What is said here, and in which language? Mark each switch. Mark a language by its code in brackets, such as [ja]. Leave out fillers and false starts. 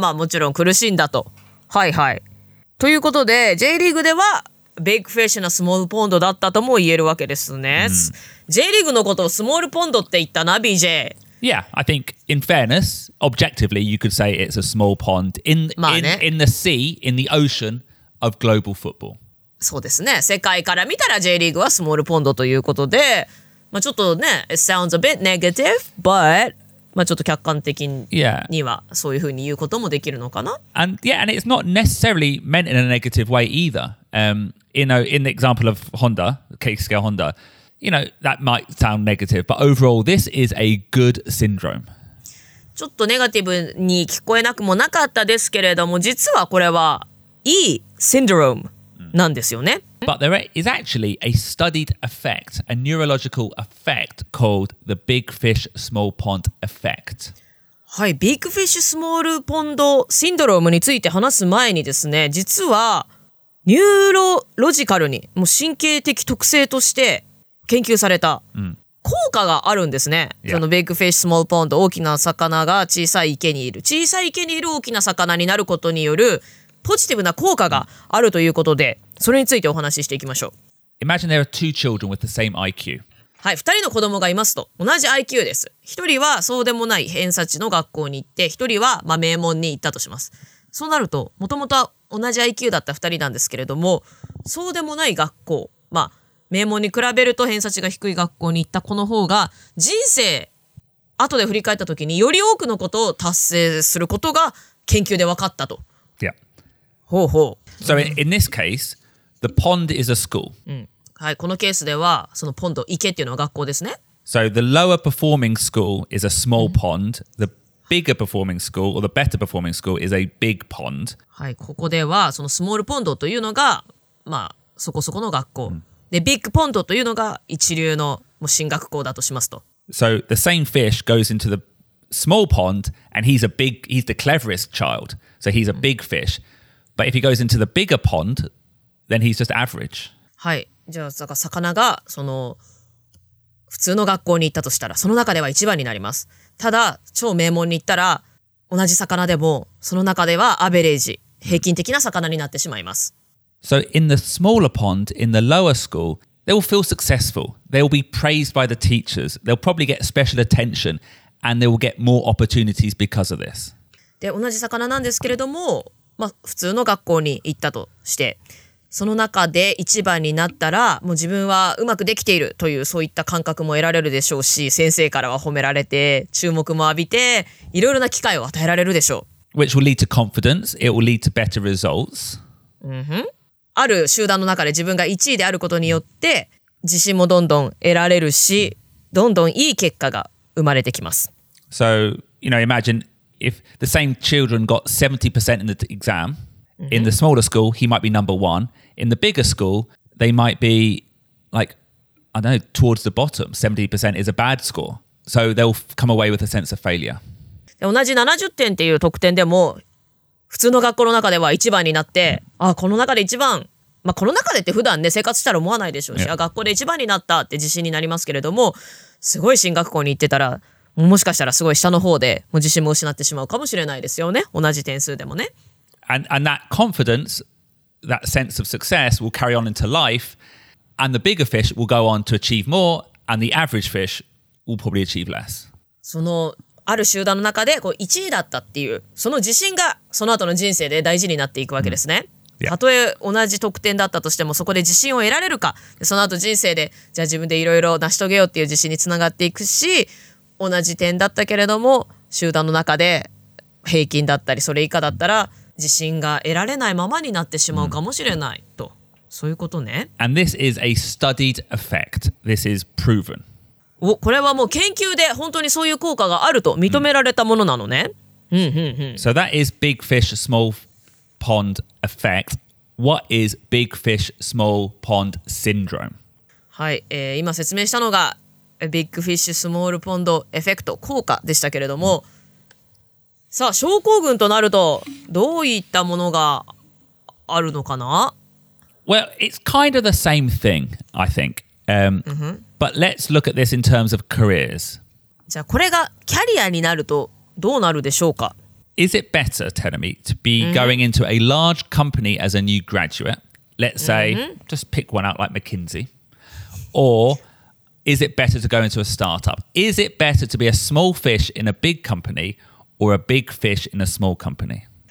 [ja] まあもちろん苦しいんだと。はいはい。ということで、J リーグでは、ビッグフィッシュなスモールポンドだったとも言えるわけですね。 Mm. J リーグのことをスモールポンドって言ったな、BJ。 [en] Yeah, I think, in fairness, objectively, you could say it's a small pond in,、 [ja] まあね、 [en] in the sea, in the ocean of global football. [ja] そうですね。世界から見たら J リーグはスモールポンドということで、まあちょっとね、 [en] it sounds a bit negative, but... [ja] まあ、ちょっと客観的にはそういうふうに言うこともできるのかな。 [en] Yeah. And yeah, and it's not necessarily meant in a negative way either. You know, in the example of Honda, Keisuke Honda, you know, that might sound negative, but overall, this is a good syndrome. [ja] ちょっとネガティブに聞こえなくもなかったですけれども、実はこれはいいシンドロームなんですよね。 [en] But there is actually a studied effect, a neurological effect called the big fish small pond effect. [ja] はい、big fish small pond syndrome について話す前にですね、実はニューロロジカルに、もう神経的特性として研究された効果があるんですね。Mm. その big fish small pond、大きな魚が小さい池にいる、小さい池にいる大きな魚になることによるポジティブな効果があるということで、それについてお話ししていきましょう。 [en] Imagine there are two children with the same IQ. [ja] はい、2人の子供がいますと、同じ IQ です。1人はそうでもない偏差値の学校に行って、1人は、まあ、名門に行ったとします。そうなると、もともとは同じ IQ だった2人なんですけれども、そうでもない学校、まあ、名門に比べると偏差値が低い学校に行った子の方が、人生、後で振り返った時により多くのことを達成することが研究で分かったと。ほうほう。 [en] So in this case, the pond is a school. [ja] はい、このケースではそのポンド、池っていうのは学校ですね。 [en] So the lower performing school is a small pond. The bigger performing school or the better performing school is a big pond. [ja] はい、ここではそのスモールポンドというのがまあそこそこの学校。で、ビッグポンドというのが一流のもう進学校だとしますと。 [en] So the same fish goes into the small pond and he's the cleverest child. So he's a big fish. But if he goes into the bigger pond, then he's just average. [ja] はい。じゃあ、魚がその普通の学校に行ったとしたら、その中では一番になります。ただ、超名門に行ったら、同じ魚でも、その中ではアベレージ、平均的な魚になってしまいます。 [en] So in the smaller pond, in the lower school, they will feel successful. They will be praised by the teachers. They'll probably get special attention. And they will get more opportunities because of this. [ja] で、同じ魚なんですけれども、まあ、普通の学校に行ったとして、その中で一番になったら、もう自分はうまくできているという、そういった感覚も得られるでしょうし、先生からは褒められて、注目も浴びて、いろいろな機会を与えられるでしょう。 [en] Which will lead to confidence, it will lead to better results. Mm-hmm. [ja] ある集団の中で自分が1位であることによって、自信もどんどん得られるし、どんどんいい結果が生まれてきます。 [en] So, you know, imagine...If the same children got 70% in the exam, In the smaller school, he might be number one. In the bigger school, they might be like, I don't know, towards the bottom. 70% is a bad score. So they'll come away with a sense of failure. [ja] 同じ70点っていう得点でも、普通の学校の中では一番になって、あ、この中で一番、まあ、この中でって普段ね、生活したら思わないでしょうし、yeah. 学校で一番になったって自信になりますけれども、すごい進学校に行ってたら、もしかしたらすごい下の方でもう自信も失ってしまうかもしれないですよね。同じ点数でもね。 [en] And that confidence, that sense of success will carry on into life, and the bigger fish will go on to achieve more, and the average fish will probably achieve less. [ja] そのある集団の中でこう1位だったっていう、その自信がその後の人生で大事になっていくわけですね。たとえ同じ得点だったとしても、そこで自信を得られるか、その後人生でじゃあ自分でいろいろ成し遂げようっていう自信につながっていくし、同じ点だったけれども集団の中で平均だったりそれ以下だったら自信が得られないままになってしまうかもしれないと、そういうことね。 [en] And this is a studied effect. This is proven. [ja] これはもう研究で本当にそういう効果があると認められたものなのね。 [en] So that is big fish small pond effect. What is big fish small pond syndrome? [ja] はい、今説明したのがビッグフィッシュスモールポンドエフェクト効果でしたけれども、さあ症候群となるとどういったものがあるのかな。 [en] Well, it's kind of the same thing, I think. But let's look at this in terms of careers. [ja] じゃあこれがキャリアになるとどうなるでしょうか。 [en] Is it better, Terumi, to be going into a large company as a new graduate? Let's say, just pick one out like McKinsey. OrIs it better to go into a startup? Is it better to be a small fish in a big company or a big fish in a small company?